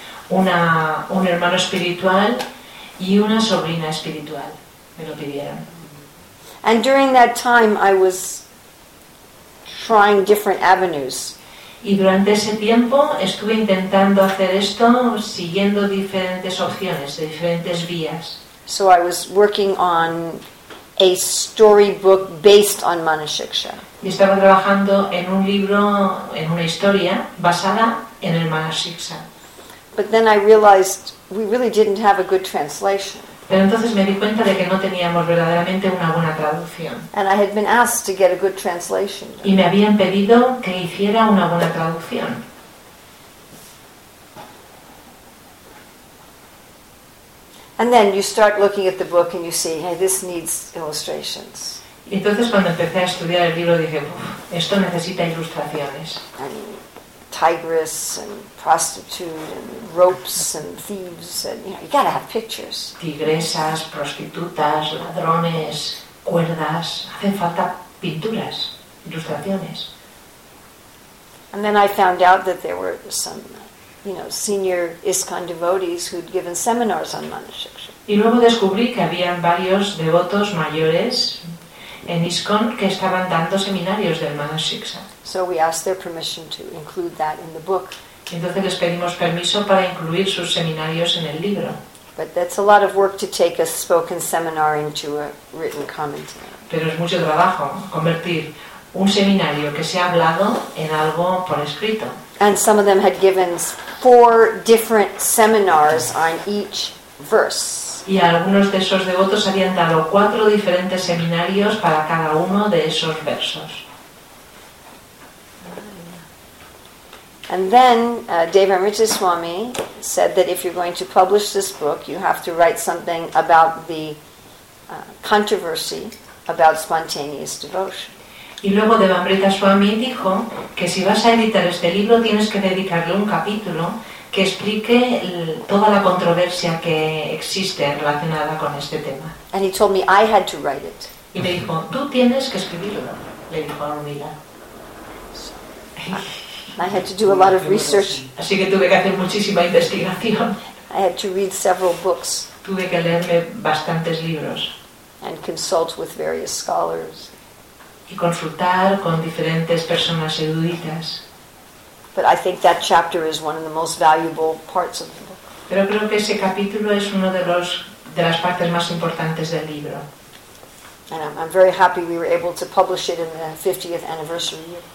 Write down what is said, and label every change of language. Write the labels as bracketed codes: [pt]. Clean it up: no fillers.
[es] Un hermano espiritual y una sobrina espiritual me lo pidieron. [en] And during that time I was trying different avenues. [es] Y durante ese tiempo estuve intentando hacer esto siguiendo diferentes opciones, diferentes vías. [en] So I was working on a storybook based on Manasiksha. [es] Y estaba trabajando en un libro, en una historia basada en el Manasiksha. [en] But then I realized we really didn't have a good translation. [es] Pero entonces me di cuenta de que no teníamos verdaderamente una buena traducción. [en] And I had been asked to get a good translation. [es] Y me habían pedido que hiciera una buena traducción. [en] And then you start looking at the book and you see, hey, this needs illustrations. [es] Y entonces cuando empecé a estudiar el libro dije, esto necesita ilustraciones. [en] Tigress and prostitute and ropes and thieves and you gotta have pictures. [es] Tigresas, prostitutas, ladrones, cuerdas, hacen falta pinturas, ilustraciones. [en] And then I found out that there were some, senior ISKCON devotees who'd given seminars on Manasiksha. [es] Y luego descubrí que habían varios devotos mayores en ISKCON que estaban dando seminarios del Manasiksha. [en] So we asked their permission to include that in the book. [es] Entonces les pedimos permiso para incluir sus seminarios en el libro. [en] But that's a lot of work to take a spoken seminar into a written commentary. [es] Pero es mucho trabajo convertir un seminario que se ha hablado en algo por escrito. [en] And some of them had given four different seminars on each verse. [es] Y algunos de esos devotos habían dado cuatro diferentes seminarios para cada uno de esos versos. [en] And then Deva Amrita Swami said that if you're going to publish this book, you have to write something about the controversy about spontaneous devotion. [es] Y luego Deva Amrita Swami dijo que si vas a editar este libro, tienes que dedicarle un capítulo que explique toda la controversia que existe relacionada con este tema. [en] And he told me I had to write it. [es] Y me dijo, tú tienes que escribirlo, le dijo a Urmila. [en] I had to do a lot of research. [es] Así que tuve que hacer muchísima investigación. [en] I had to read several books. [es] Tuve que leerme bastantes libros. [en] And consult with various scholars. [es] Y consultar con diferentes personas eruditas. [en] But I think that chapter is one of the most valuable parts of the book. [es] Pero creo que ese capítulo es uno de los de las partes más importantes del libro. [en] And I'm very happy we were able to publish it in the 50th anniversary year.